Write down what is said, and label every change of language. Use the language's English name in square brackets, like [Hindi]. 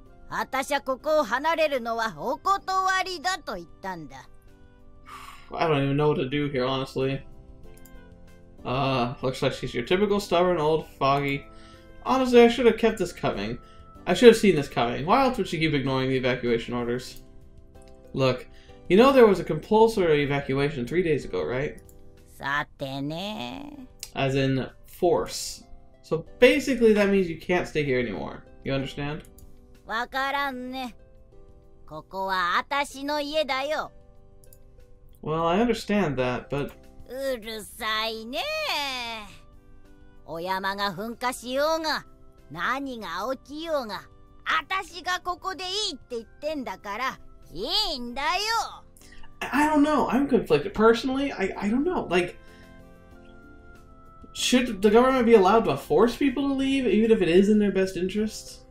[Japanese] 私はここを離れるのはお断りだと言ったんだ. [English] I don't even know what to do here, honestly. Looks like she's your typical stubborn old foggy. Honestly, I should have kept this coming. I should have seen this coming. Why else would she keep ignoring the evacuation orders? Look, you know there was a compulsory evacuation 3 days ago, right? [Japanese] さてね. [English] As in force. So basically that means you can't stay here anymore. You understand? [Japanese] わからんね.ここは私の家だよ. [English] Well, I understand that, but... [Japanese] うるさいね! お山が噴火しようが, 何が起きようが, 私がここでいいって言ってんだから, いいんだよ! [English] I don't know. I'm conflicted. Personally, I don't know. Like, should the government be allowed to force people to leave, even if it is in their best interest?